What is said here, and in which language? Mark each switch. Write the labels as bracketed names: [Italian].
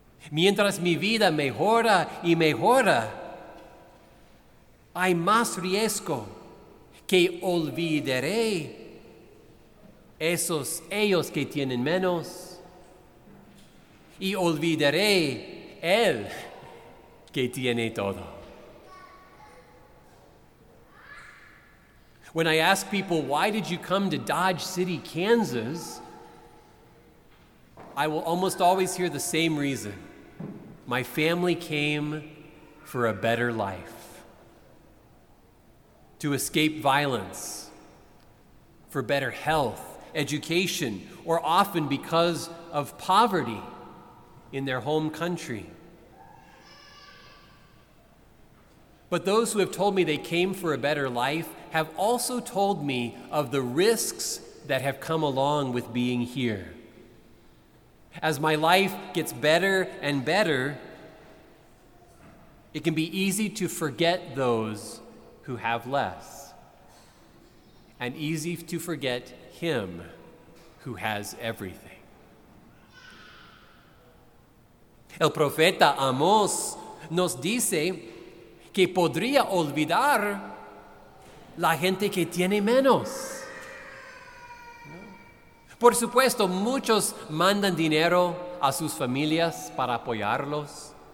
[Spanish] Mientras mi vida mejora y mejora, hay más riesgo que olvidaré ellos que tienen menos y olvidaré él que tiene todo. [English] When I ask people, why did you come to Dodge City, Kansas? I will almost always hear the same reason. My family came for a better life. To escape violence, for better health, education, or often because of poverty in their home country. But those who have told me they came for a better life have also told me of the risks that have come along with being here. As my life gets better and better, it can be easy to forget those who have less, and easy to forget him who has everything. [Spanish] El profeta Amós nos dice que podría olvidar la gente que tiene menos. Por supuesto, muchos mandan dinero a sus familias para apoyarlos.